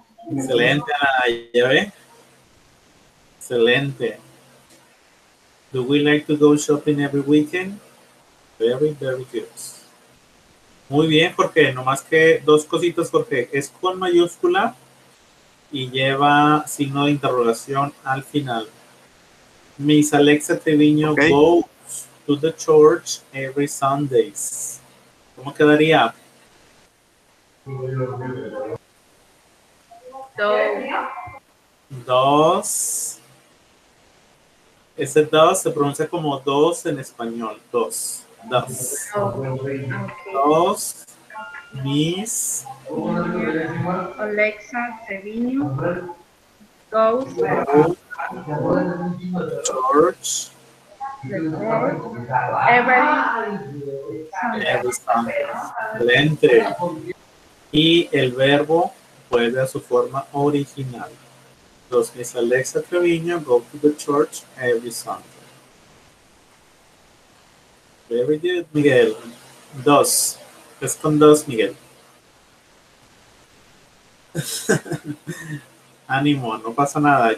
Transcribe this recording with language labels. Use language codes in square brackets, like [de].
[es] Excelente, Ana, ¿ve? Excelente. [en] Do we like to go shopping every weekend? Very, very good. [es] Muy bien, porque nomás que dos cositas, porque es con mayúscula y lleva signo de interrogación al final. [en] Miss Alexa Treviño, okay, goes to the church every Sundays. [es] ¿Cómo quedaría? Dos. Ese dos se pronuncia como dos en español. Dos. Dos. Dos. Miss. Alexa Treviño. Dos. [en] George. Everything. [es] Excelente. Y el verbo vuelve a su forma original. [en] Los Miss Alexa Treviño go to the church every Sunday. Very good, [es] Miguel. Dos. Es con dos, Miguel. Ánimo, no pasa nada.